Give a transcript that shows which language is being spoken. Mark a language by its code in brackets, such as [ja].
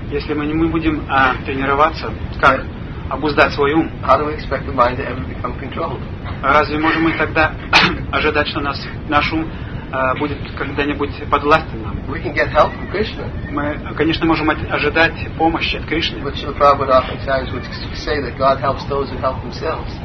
[ru] если мы не будем тренироваться, как обуздать свой ум, [en] how do we expect the mind to ever become controlled? [ru] Разве можем мы тогда ожидать, что наш ум будет когда-нибудь подвластен нам? [en] We can get help from Krishna. [ru] Мы, конечно, можем ожидать помощи от Кришны. [en] But Srila Prabhupada often times would say that God helps those who help themselves.